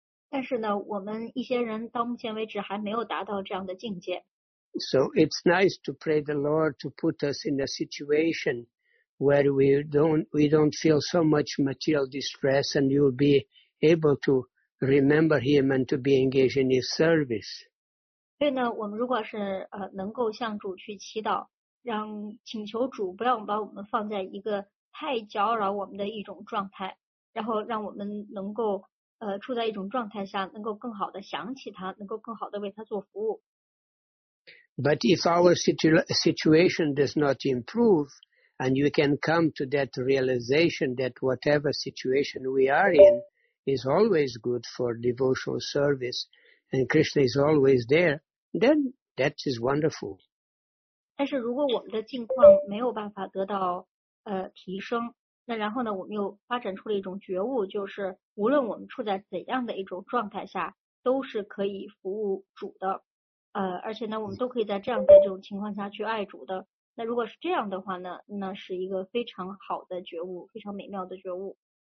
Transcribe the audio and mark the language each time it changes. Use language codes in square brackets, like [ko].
[zh] 但是呢，我们一些人到目前为止还没有达到这样的境界。 [en] So it's nice to pray the Lord to put us in a situation where we don't feel so much material distress and you'll be able to remember Him and to be engaged in His service. [zh] 所以呢，我们如果是能够向主去祈祷，让请求主不要把我们放在一个太搅扰我们的一种状态，然后让我们能够。处在一种状态下能够更好地想起他能够更好地为他做服务。 [en] But if our situation does not improve, and you can come to that realization that whatever situation we are in is always good for devotional service, and Krishna is always there, then that is wonderful. [zh] 但是如果我们的境况没有办法得到提升那然后呢我们又发展出了一种觉悟就是无论我们处在怎样的一种状态下都是可以服务主的而且呢我们都可以在这样的这种情况下去爱主的那如果是这样的话呢那是一个非常好的觉悟非常美妙的觉悟。